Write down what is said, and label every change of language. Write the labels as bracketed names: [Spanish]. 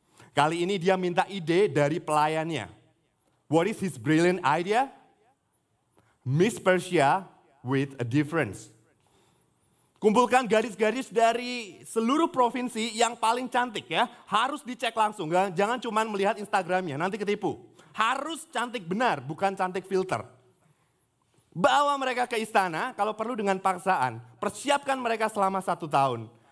[Indonesian] Kali ini dia minta ide dari pelayannya. [English] What is his brilliant idea? Miss Persia with a difference. [Indonesian] Kumpulkan gadis-gadis dari seluruh provinsi yang paling cantik ya. Harus dicek langsung, jangan cuma melihat Instagramnya, nanti ketipu. Harus cantik benar, bukan cantik filter. Bawa mereka ke istana, kalau perlu dengan paksaan. Persiapkan mereka selama 1 tahun.